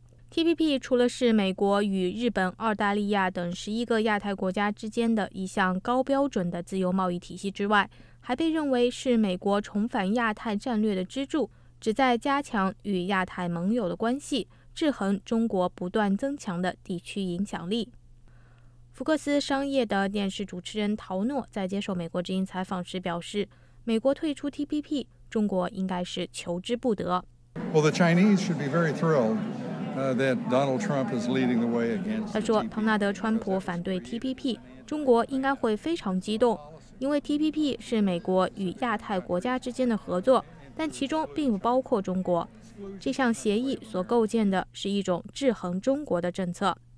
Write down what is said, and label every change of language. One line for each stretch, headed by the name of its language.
Chinese: TPP 除了是美国与日本、澳大利亚等11个亚太国家之间的一项高标准的自由贸易体系之外，还被认为是美国重返亚太战略的支柱，旨在加强与亚太盟友的关系，制衡中国不断增强的地区影响力。福克斯商业的电视主持人陶诺在接受美国之音采访时表示，美国退出 TPP， 中国应该是求之不得。
English: Well, the Chinese should be very thrilled. That Donald Trump is leading the way against TPP.
Chinese: 他说，唐纳德·川普反对 TPP， 中国应该会非常激动，因为 TPP 是美国与亚太国家之间的合作，但其中并不包括中国。这项协议所构建的是一种制衡中国的政策。